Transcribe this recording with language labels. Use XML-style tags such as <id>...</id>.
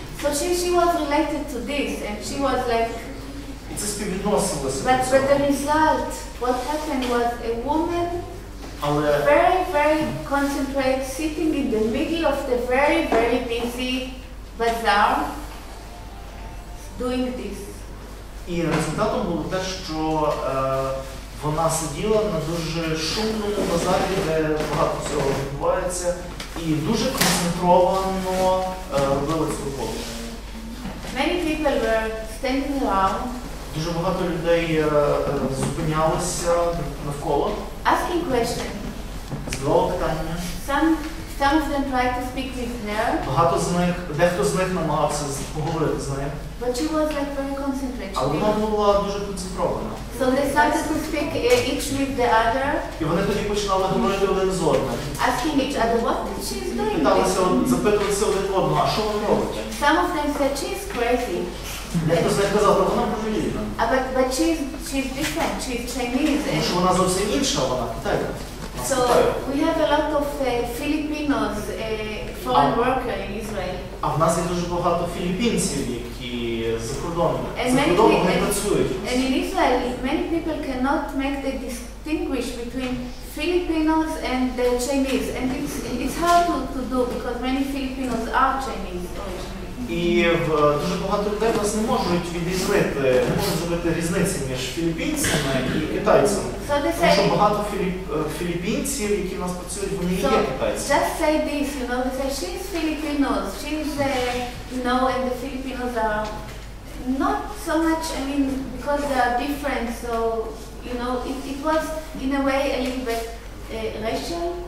<en>So she was related to this, and she was like.</en> <uk>І це співвідносилося.</uk> <en>But the result, what happened was a woman.</en> <uk>Але</uk> <en>very, very concentrated, sitting in the middle of the very, very busy bazaar, doing this.</en> <uk>І результатом було те, що вона сиділа на дуже шумному базарі, де багато цього відбувається, і дуже концентровано робила цю роботу.</uk> <en>Many people were standing around.</en> <uk>Дуже багато людей зупинялися навколо.</uk> <en>Asking questions.</en> <uk>Здорово питання.</uk> <en>Some of them tried to speak with her.</en> <uk>Багато з них, дехто з них намагався поговорити з нею.</uk> <en>But she was like very concentrated.</en> <uk>Але вона була дуже концентрована.</uk> <en>So they started to speak each with the other.</en> <uk>І вони тоді починали говорити один з одним.</uk> <en>Asking each other what she is doing.</en> <uk>Питалися, запитувалися один одного, а що вона робить?</uk> <en>Some of them said she is crazy.</en> <uk>Дехто з них казав, що вона божевільна.</uk> <en>But she's different, she's Chinese.</en> <uk>Тому що вона зовсім інша, вона китайка.</uk> <en>So we have a lot of Filipinos, foreign worker in Israel.</en> <uk>А в нас є дуже багато філіппінців, які за кордоном не працюють.</uk> <en>And in Israel, many people cannot make the distinguish between Filipinos and the Chinese. And it's hard to do because many Filipinos are Chinese originally.</en> <uk>І дуже багато людей вас не можуть відрізнити, не можуть зробити різниці між філіппінцями і китайцями.</uk> <en>So they say,</en> <uk>тому що багато філіппінців, які в нас працюють, вони</uk> <en>so</en> <uk>є китайці.</uk> <en>Just say this, you know, they say, she's Filipinos, she's, you know, and the Filipinos are not so much, I mean, because they are different, so, you know, it was, in a way, a little bit racial.</en>